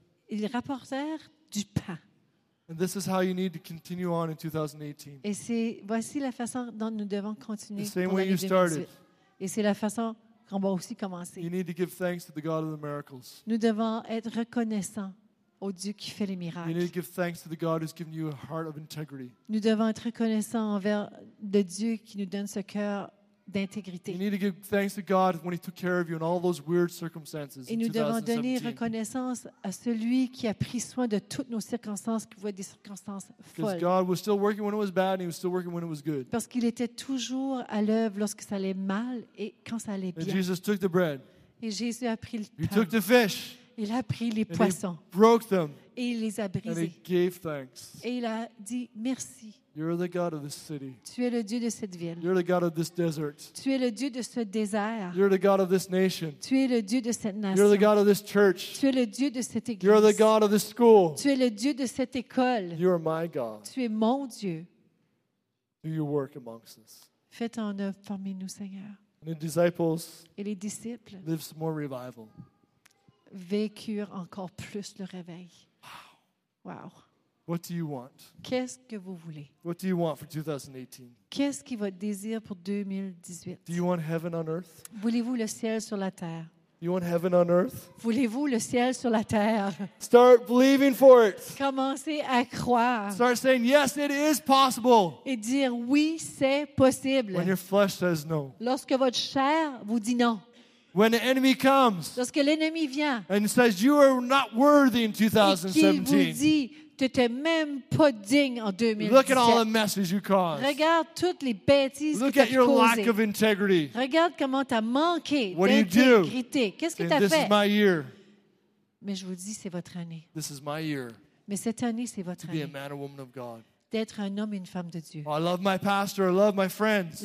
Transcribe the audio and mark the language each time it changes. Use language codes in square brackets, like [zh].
[fr] Ils rapportèrent du pain. [en] And this is how you need to continue on in 2018. [fr] Et c'est voici la façon dont nous devons continuer. [en] The same way you started. [fr] Et c'est la façon qu'on va aussi commencer. [en] You need to give thanks to the God of the miracles. [fr] Nous devons être reconnaissants au Dieu qui fait les miracles. [en] You need to give thanks to the God who's given you a heart of integrity. [fr] Nous devons être reconnaissants envers le Dieu qui nous donne ce cœur d'intégrité. [en] You need to give thanks to God when He took care of you in all those weird circumstances. [fr] Et nous devons donner reconnaissance à celui qui a pris soin de toutes nos circonstances, qui voit des circonstances folles. [en] Because God was still working when it was bad, and He was still working when it was good. [fr] Parce qu'il était toujours à l'œuvre lorsque ça allait mal et quand ça allait bien. [en] And Jesus took the bread. [fr] Et Jésus a pris le pain. [en] He took the fish. [fr] Il a pris les poissons. [en] He broke them. [fr] Et il les a brisés. [en] And he gave thanks. [fr] Et il a dit merci. [en] You're the God of this city. [fr] Tu es le Dieu de cette ville. [en] You're the God of this desert. [fr] Tu es le Dieu de ce désert. [en] You're the God of this nation. [fr] Tu es le Dieu de cette nation. [en] You're the God of this church. [fr] Tu es le Dieu de cette église. [en] You're the God of this school. [fr] Tu es le Dieu de cette école. [en] You are my God. [fr] Tu es mon Dieu. [en] Do your work amongst us. [fr] Fais ton œuvre parmi nous, Seigneur. [en] And the disciples. [fr] Et les disciples. [en] Live some more revival. [fr] Vécurent encore plus le réveil. [en] Wow. What do you want? [fr] Qu'est-ce que vous voulez? [en] What do you want for 2018? [fr] Qu'est-ce qui votre désir pour 2018? [en] Do you want heaven on earth? [fr] Voulez-vous le ciel sur la terre? [en] You want heaven on earth? [fr] Voulez-vous le ciel sur la terre? [en] Start believing for it. [fr] Commencez à croire. [en] Start saying yes, it is possible. [fr] Et dire oui, c'est possible. [en] When your flesh says no. [fr] Lorsque votre chair vous dit non. [en] When the enemy comes, [fr] lorsque l'ennemi vient, [en] and says you are not worthy in 2017, [fr] et qu'il vous dit, tu n'étais même pas digne en 2017. [en] Look at all the messes you caused. [fr] Regarde toutes les bêtises [en] Look [fr] que tu as causées. [en] Look at your lack of integrity. [fr] Regarde comment tu as manqué [en] What [fr] d'intégrité. [en] Do you do? [fr] Qu'est-ce que tu as fait? [en] This is my year. [fr] Mais je vous dis, c'est votre année. [en] This is my year. [fr] Mais cette année, c'est votre année. [en] To be a man or woman of God. [fr] D'être un homme et une femme de Dieu. [en] I love my pastor, I love my friends.